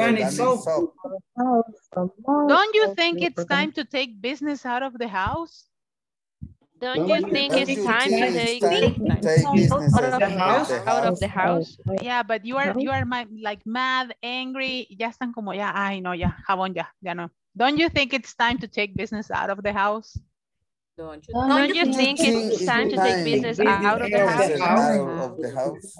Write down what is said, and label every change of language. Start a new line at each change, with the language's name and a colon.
English: There is no more room in our house for your organic soap. Don't you think it's time to take business out of the house? Don't you think it's time to take business out of the house? Yeah, but you are mad, angry.
Spanish: Ya están como ya, ay no, ya, jabón ya, ya no.
English: Don't you think it's time to take business out of the house? Don't you think it's time to take business out of the house?